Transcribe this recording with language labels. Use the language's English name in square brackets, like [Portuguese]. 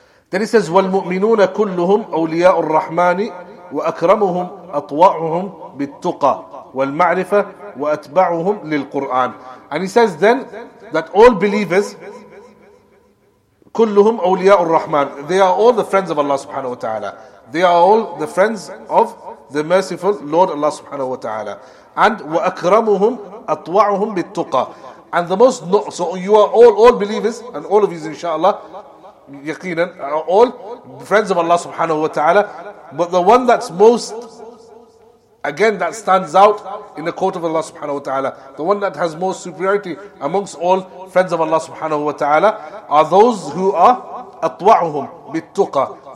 [English] Then he says, [Arabic] وَالْمُؤْمِنُونَ كُلُّهُمْ أَوْلِيَاءُ الرَّحْمَانِ وَأَكْرَمُهُمْ أَطْوَاعُهُمْ بِالتُّقَى. والمعرفة وأتبعهم للقرآن. [English] And he says then that all believers, [Arabic] كلهم أولياء الرحمن, [English] they are all the friends of Allah subhanahu wa ta'ala. They are all the friends of the merciful Lord Allah subhanahu wa ta'ala. [Arabic] And وأكرمهم أطوعهم بالتقى. [English] And the most, no, so you are all believers, and all of you inshallah, yaqeenan, are all friends of Allah subhanahu wa ta'ala. But the one that's most, again, that stands out in the court of Allah subhanahu wa ta'ala, the one that has most superiority amongst all friends of Allah subhanahu wa ta'ala, are those who are atwa'uhum bittuqa.